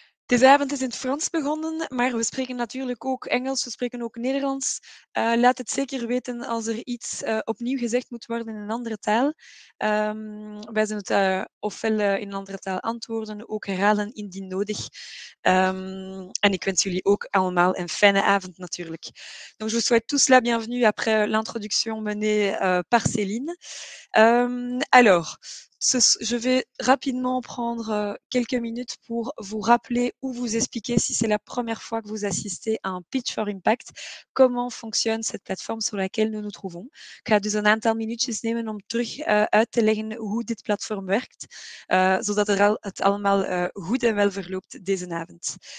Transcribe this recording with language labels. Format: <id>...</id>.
<nl>Deze avond is in het Frans begonnen, maar we spreken natuurlijk ook Engels, we spreken ook Nederlands. Laat het zeker weten als er iets opnieuw gezegd moet worden in een andere taal. Wij zullen het ofwel in een andere taal antwoorden, ook herhalen indien nodig. En ik wens jullie ook allemaal een fijne avond natuurlijk.</nl> <fr>Donc, je vous souhaite tous la bienvenue après l'introduction menée par Céline. Alors... Je vais rapidement prendre quelques minutes pour vous rappeler ou vous expliquer, si c'est la première fois que vous assistez à un Pitch for Impact, comment fonctionne cette plateforme sur laquelle nous nous trouvons.</fr> <nl>Ik ga dus een aantal minuutjes nemen om terug uit te leggen hoe dit platform werkt, zodat het allemaal goed en wel verloopt deze avond.</nl>